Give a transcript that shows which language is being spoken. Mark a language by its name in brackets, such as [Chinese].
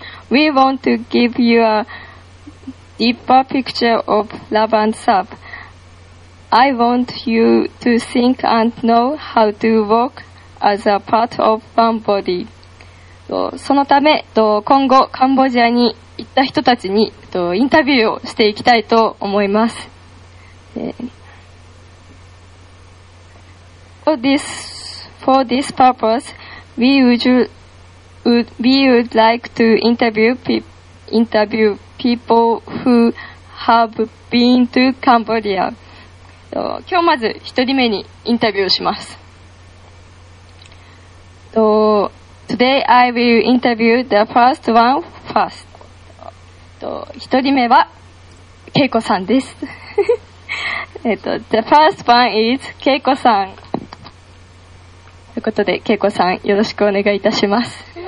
[English] We want to give you a deeper picture of love and serve. I want you to think and know how to work as a part of one body. [Japanese] そのため今後カンボジアに行った人たちにインタビューをしていきたいと思います。 [English] For this purpose, we would like to interview people who have been to Cambodia. [Japanese] 今日まず一人目にインタビューをします。 [English] So today I will interview the first one first. [Japanese] 一人目はケイコさんです。 [English] the first one is ケイコさん。 [Japanese] ということでケイコさんよろしくお願いいたします。